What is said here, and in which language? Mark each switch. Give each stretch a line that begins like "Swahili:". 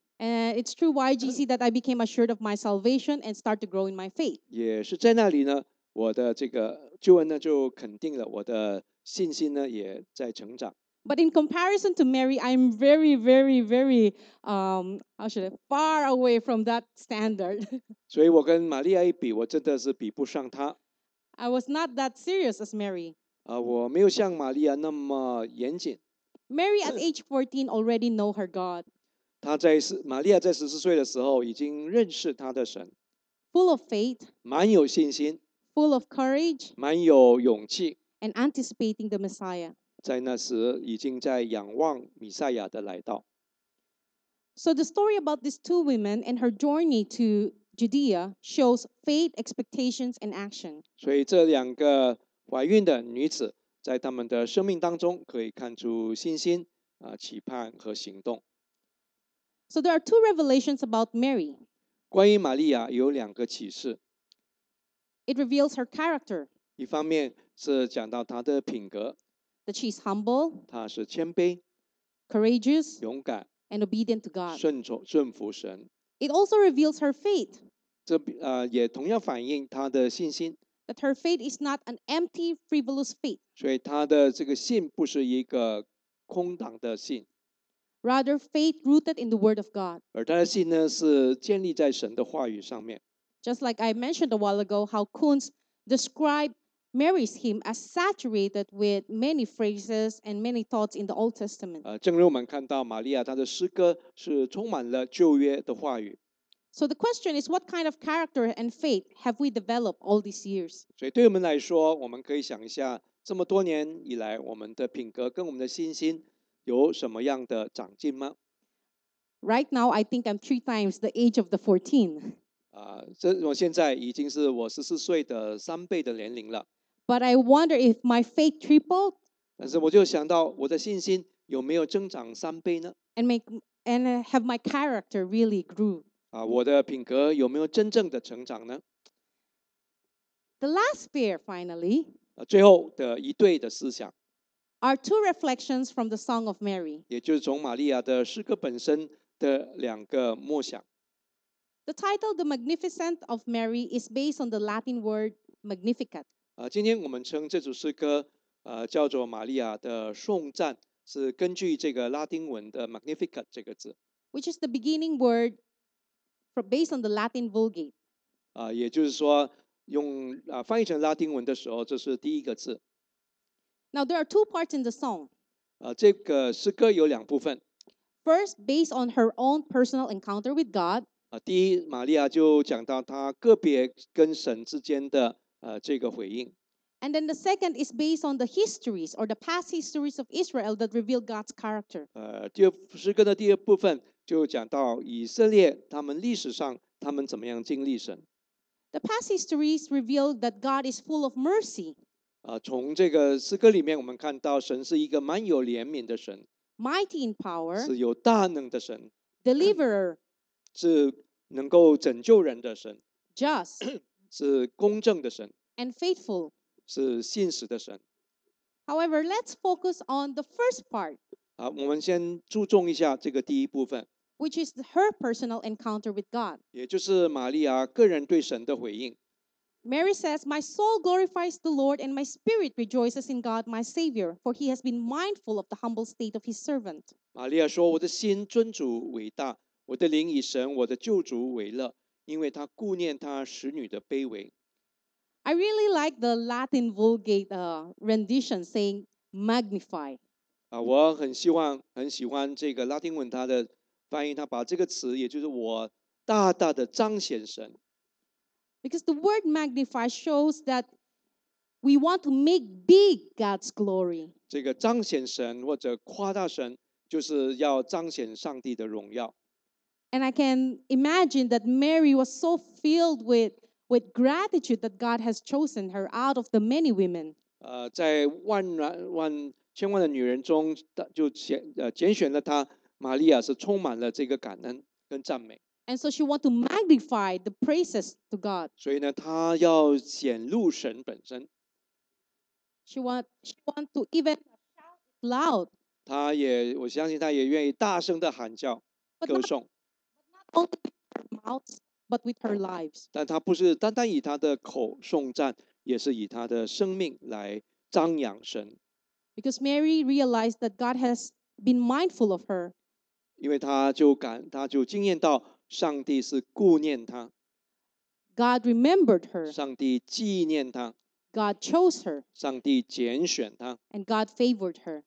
English: It's through YGC that I became assured of my salvation and started to grow in my faith.
Chinese: 也是在那里呢，我的这个救恩呢就肯定了，我的信心呢也在成长。
English: But in comparison to Mary, I'm very, very, very, far away from that standard.
Chinese: 所以我跟玛利亚一比，我真的是比不上她。
English: I was not that serious as Mary.
Chinese: 我没有像玛利亚那么严谨。
English: Mary at age 14 already know her God.
Chinese: 玛利亚在十四岁的时候已经认识她的神。
English: Full of faith.
Chinese: 蛮有信心。
English: Full of courage.
Chinese: 蛮有勇气。
English: And anticipating the Messiah.
Chinese: 在那时已经在仰望弥赛亚的来到。
English: So the story about these two women and her journey to Judea shows faith, expectations, and action.
Chinese: 所以这两个怀孕的女子在她们的生命当中可以看出信心、期盼和行动。
English: So there are two revelations about Mary.
Chinese: 关于玛利亚有两个启示。
English: It reveals her character.
Chinese: 一方面是讲到她的品格。
English: That she is humble,
Chinese: 她是谦卑,
English: courageous,
Chinese: 勇敢,
English: and obedient to God.
Chinese: 顺服神.
English: It also reveals her faith.
Chinese: 也同样反映她的信心.
English: That her faith is not an empty, frivolous faith.
Chinese: 所以她的这个信不是一个空荡的信.
English: Rather, faith rooted in the Word of God.
Chinese: 而她的信呢，是建立在神的话语上面.
English: Just like I mentioned a while ago, how Kuntz described Marries him as saturated with many phrases and many thoughts in the Old Testament.
Chinese: 正如我们看到玛利亚，她的诗歌是充满了旧约的话语。
English: So the question is, what kind of character and faith have we developed all these years?
Chinese: 所以对我们来说，我们可以想一下，这么多年以来，我们的品格跟我们的信心有什么样的长进吗？
English: Right now, I think I'm 3 times the age of the 14.
Chinese: 我现在已经是我十四岁的三倍的年龄了。
English: But I wonder if my faith tripled.
Chinese: 但是我就想到我的信心有没有增长三倍呢？
English: And have my character really grew.
Chinese: 我的品格有没有真正的成长呢？
English: The last pair, finally.
Chinese: 最后的一对的思想。
English: Are two reflections from the Song of Mary.
Chinese: 也就是从玛利亚的诗歌本身的两个默想。
English: The title, The Magnificent of Mary, is based on the Latin word Magnificat.
Chinese: 今天我们称这首诗歌叫做玛利亚的颂赞，是根据这个拉丁文的 Magnificat 这个字。
English: Which is the beginning word based on the Latin Vulgate.
Chinese: 也就是说用翻译成拉丁文的时候，这是第一个字。
English: Now there are 2 parts in the song.
Chinese: 这个诗歌有两部分。
English: First, based on her own personal encounter with God.
Chinese: 第一，玛利亚就讲到她个别跟神之间的这个回应。
English: And then the second is based on the histories or the past histories of Israel that reveal God's character.
Chinese: 诗歌的第二部分就讲到以色列他们历史上他们怎么样经历神。
English: The past histories reveal that God is full of mercy.
Chinese: 从这个诗歌里面我们看到神是一个蛮有怜悯的神。
English: Mighty in power.
Chinese: 是有大能的神。
English: Deliverer.
Chinese: 是能够拯救人的神。
English: Just.
Chinese: 是公正的神。
English: And faithful.
Chinese: 是信实的神。
English: However, let's focus on the first part.
Chinese: 我们先注重一下这个第一部分。
English: Which is her personal encounter with God.
Chinese: 也就是玛利亚个人对神的回应。
English: Mary says, My soul glorifies the Lord, and my spirit rejoices in God, my Savior, for he has been mindful of the humble state of his servant.
Chinese: 玛利亚说，我的心尊主伟大，我的灵以神我的救主为乐，因为他顾念他使女的卑微。
English: I really like the Latin Vulgate rendition saying magnify.
Chinese: 我很喜欢这个拉丁文它的翻译，它把这个词，也就是我大大的彰显神。
English: Because the word magnify shows that we want to make big God's glory.
Chinese: 这个彰显神或者夸大神，就是要彰显上帝的荣耀。
English: And I can imagine that Mary was so filled with gratitude that God has chosen her out of the many women.
Chinese: 在千万的女人中，就拣选了她。玛利亚是充满了这个感恩跟赞美。
English: And so she wants to magnify the praises to God.
Chinese: 所以呢，她要显露神本身。
English: She wants to even shout loud.
Chinese: 她也，我相信她也愿意大声的喊叫、歌颂。
English: Not only with her mouth, but with her lives.
Chinese: 但她不是单单以她的口颂赞，也是以她的生命来彰扬神。
English: Because Mary realized that God has been mindful of her.
Chinese: 因为她就经验到。上帝是顾念他。
English: God remembered her.
Chinese: 上帝纪念他。
English: God chose her.
Chinese: 上帝拣选他。
English: And God favored her.